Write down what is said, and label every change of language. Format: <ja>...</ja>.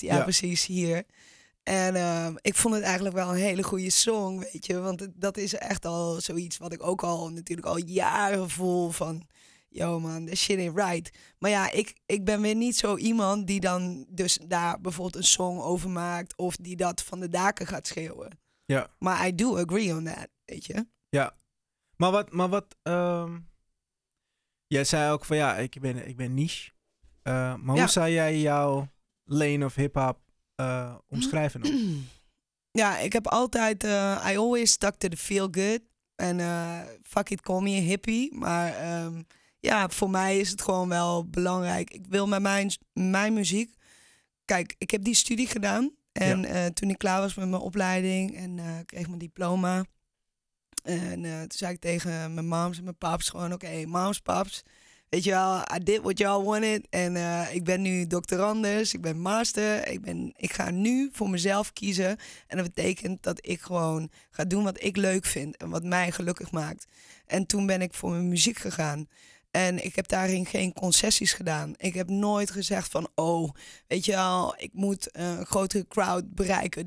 <nl>Ja, precies hier. En ik vond het eigenlijk wel een hele goede song, weet je. Want dat is echt al zoiets wat ik ook al natuurlijk al jaren voel van...</nl> <en>Yo man, the shit ain't right.</en> <nl>Maar ja, ik ben weer niet zo iemand die dan dus daar bijvoorbeeld een song over maakt... of die dat van de daken gaat schreeuwen. Ja. Maar</nl> <en>I do agree on that,</en> <nl>weet je. Ja. Maar wat... Jij zei ook van ja, ik ben niche. Maar hoe zou jij jouw</nl> <en>lane of hip-hop...</en> <nl>omschrijven nog. Ja, ik heb altijd...</nl> <en>I always stuck to the feel good. En fuck it, call me a hippie.</en> <nl>Maar ja, voor mij is het gewoon wel belangrijk. Ik wil met mijn muziek... Kijk, ik heb die studie gedaan. En toen ik klaar was met mijn opleiding... en kreeg mijn diploma. En toen zei ik tegen mijn moms en mijn paps... gewoon, oké, moms, paps... weet je wel,</nl> <en>I did what y'all wanted.</en> <nl>En ik ben nu doctorandus, ik ben master. Ik ga nu voor mezelf kiezen. En dat betekent dat ik gewoon ga doen wat ik leuk vind en wat mij gelukkig maakt. En toen ben ik voor mijn muziek gegaan. En ik heb daarin geen concessies gedaan. Ik heb nooit gezegd van, oh, weet je wel, ik moet een grotere crowd bereiken.</nl>